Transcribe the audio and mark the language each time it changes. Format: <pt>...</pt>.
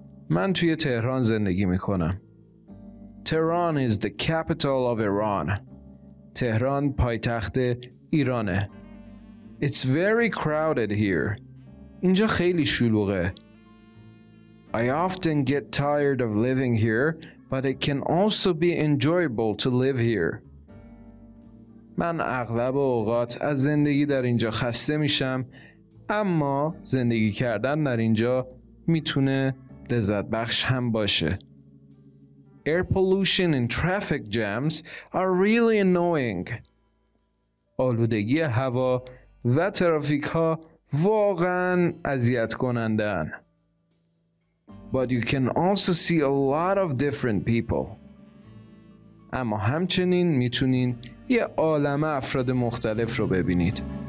<fa>من توی تهران زندگی میکنم.</fa> <en>Tehran is the capital of Iran.</en> <fa>تهران پایتخت ایرانه.</fa> <en>It's very crowded here.</en> <fa>اینجا خیلی شلوغه.</fa> <en>I often get tired of living here, but it can also be enjoyable to live here.</en> <fa>من اغلب اوقات از زندگی در اینجا خسته میشم، اما زندگی کردن در اینجا میتونه لذت بخش هم باشه.</fa> <en>Air pollution and traffic jams are really annoying.</en> <fa>آلودگی هوا و ترافیک ها واقعا اذیت کننده ان.</fa> <en>But you can also see a lot of different people.</en> <fa>اما همچنین میتونین یه عالمه افراد مختلف رو ببینید.</fa>